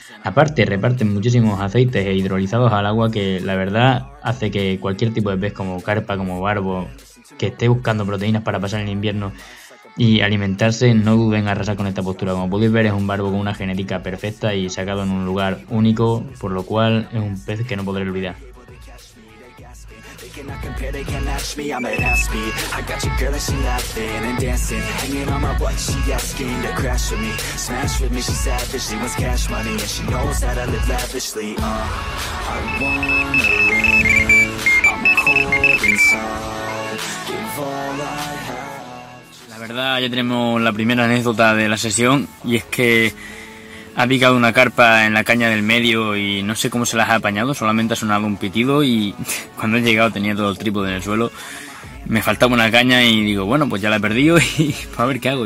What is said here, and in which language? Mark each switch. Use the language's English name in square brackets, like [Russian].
[Spanish] Aparte reparten muchísimos aceites hidrolizados al agua, que la verdad hace que cualquier tipo de pez, como carpa, como barbo, que esté buscando proteínas para pasar el invierno y alimentarse, no duden a arrasar con esta postura. Como podéis ver, es un barbo con una genética perfecta y sacado en un lugar único, por lo cual es un pez que no podré olvidar. [English] And I compare, they can't match me, I'm at half speed. I got your girl and she laughing and dancing, hanging on my butt, she asking to crash with me, smash with me, she's savage, she wants cash money, and she knows that I live lavishly, I wanna live, I'm cold inside, give all I have. [Spanish] La verdad, ya tenemos la primera anécdota de la sesión, y es que ha picado una carpa en la caña del medio y no sé cómo se las ha apañado, solamente ha sonado un pitido y cuando he llegado tenía todo el trípode en el suelo. Me faltaba una caña y digo, bueno, pues ya la he perdido y pues a ver qué hago.